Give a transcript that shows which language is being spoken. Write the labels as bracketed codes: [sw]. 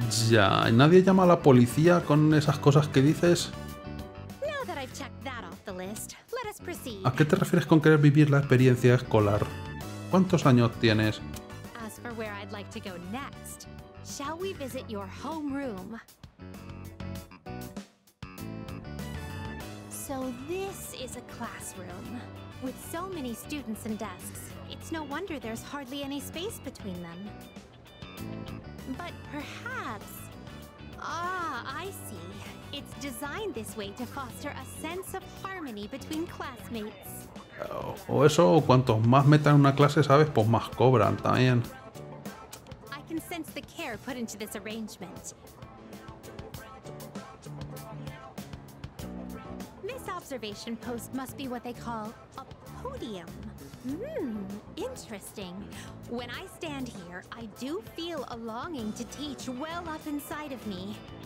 [es] Ya, ¿nadie llama a la policía con esas cosas que dices? [en] Now that I've checked that off the list, let us proceed. [es] ¿A qué te refieres con querer vivir la experiencia escolar? ¿Cuántos años tienes? [en] As for where I'd like to go next, shall we visit your homeroom? So this is a classroom. With so many students and desks, it's no wonder there's hardly any space between them. But perhaps... Ah, I see. It's designed this way to foster a sense of harmony between classmates. [es] O eso, o cuantos más metan una clase, ¿sabes? Pues más cobran también. [en] I can sense the care put into this arrangement. This observation post must be what they call a podium. Hmm, interesting. When I stand here, I do feel a longing to teach well up inside of me.